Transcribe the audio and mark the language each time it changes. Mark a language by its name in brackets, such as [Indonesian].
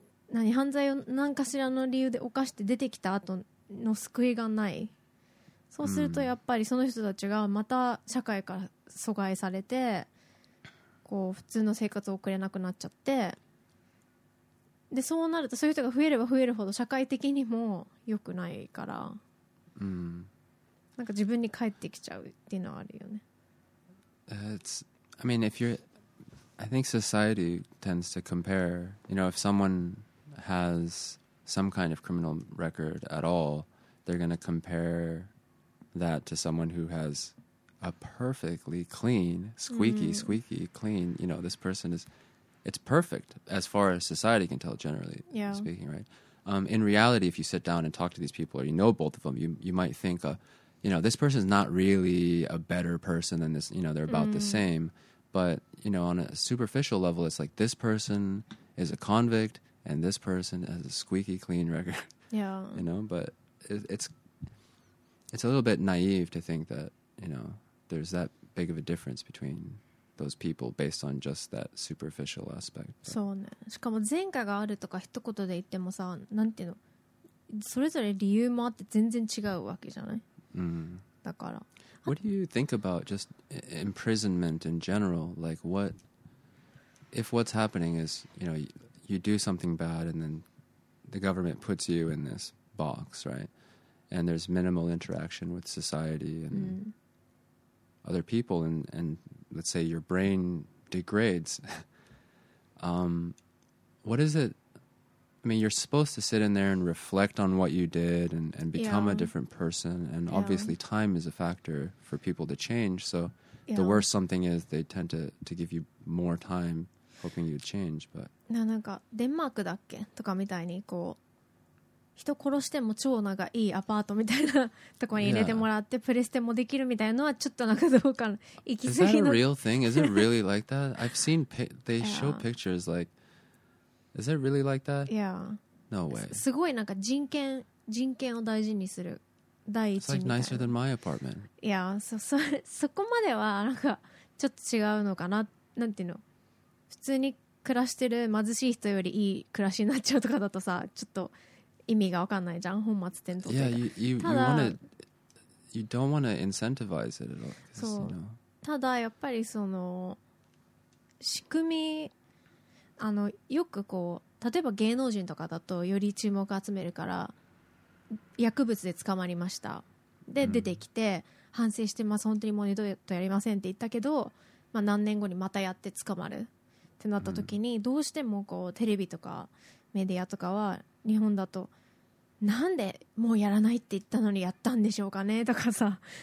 [Japanese] 何犯罪を何かしらの理由で犯して出てきた後の救いがない、そうするとやっぱりその人たちがまた社会から阻害されてこう普通の生活を送れなくなっちゃって、でそうなるとそういう人が増えれば増えるほど社会的にも良くないから、 mm. なんか自分に返ってきちゃうっていうのはあるよね。 [English] It's, I mean, if you're I think society tends to compare, you know, if someone has some kind of criminal record at all, they're going to compare that to someone who has a perfectly clean, squeaky clean, you know, this person is, it's perfect as far as society can tell, generally speaking, right? In reality, if you sit down and talk to these people or you know both of them, you might think, you know, this person is not really a better person than this, you know, they're about the same. But, you know, on a superficial level, it's like this person is a convict and this person has a squeaky clean record. Yeah. You know, but it's a little bit naive to think that, you know, there's that big of a difference between those people based on just that superficial aspect. [Japanese] そうね。しかも前科があるとか一言で言ってもさ、なんていうの、それぞれ理由もあって全然違うわけじゃない。だから。 [English] What do you think about just imprisonment in general? Like what, if what's happening is, you know, you do something bad and then the government puts you in this box, right? And there's minimal interaction with society and other people and let's say your brain degrades. what is it? I mean, you're supposed to sit in there and reflect on what you did and become a different person. And obviously time is a factor for people to change. So the worse something is, they tend to give you more time hoping you'd change. But [Japanese] なんかデンマークだっけとかみたいにこう人殺しても超なんかいいアパートみたいなところに入れてもらってプレステもできるみたいなのはちょっとなんかどうかな行き過ぎな [English] Is that a real thing? Is it really like that? I've seen they show pictures like Is it really like that? Yeah. No way. [Japanese] すごいなんか人権を大事にする第一みたいな [English] It's like nicer than my apartment. Yeah. [Japanese] そこまではなんかちょっと違うのかななんていうの普通に暮らしてる貧しい人よりいい暮らしになっちゃうとかだとさちょっと意味が分かんないじゃん本末転倒というか [English] Yeah, you don't want to incentivize it at all. [Japanese] そう。ただやっぱりその仕組みあのよくこう例えば芸能人とかだとより注目を集めるから薬物で捕まりましたで出てきて反省してます本当にもう二度とやりませんって言ったけど、まあ、何年後にまたやって捕まるってなった時にどうしてもこうテレビとかメディアとかは日本だとなんでもうやらないって言ったのにやったんでしょうかねとかさ